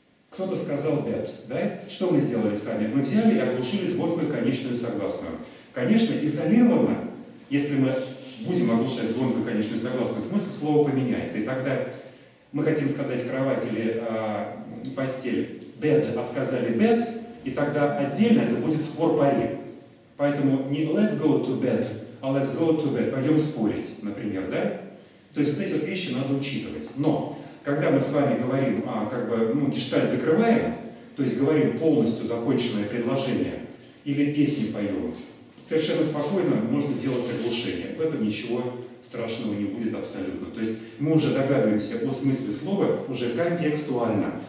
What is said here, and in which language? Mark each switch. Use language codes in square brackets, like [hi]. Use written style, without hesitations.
[ru] Кто-то сказал bed, да? Что мы сделали сами? Мы взяли и оглушили звонкую конечную согласную. Конечно, изолированно, если мы будем оглушать звонко, конечно, согласную, смысл слова поменяется. И тогда мы хотим сказать кровать или постель bed, а сказали bed, и тогда отдельно это будет спор пари. Поэтому не [en] let's go to bed, а let's go to bed. [ru] Пойдем спорить, например, да? То есть вот эти вот вещи надо учитывать. Но когда мы с вами говорим, гештальт закрываем, то есть говорим полностью законченное предложение или песни поем, совершенно спокойно можно делать оглушение. В этом ничего страшного не будет абсолютно. То есть мы уже догадываемся о смысле слова уже контекстуально.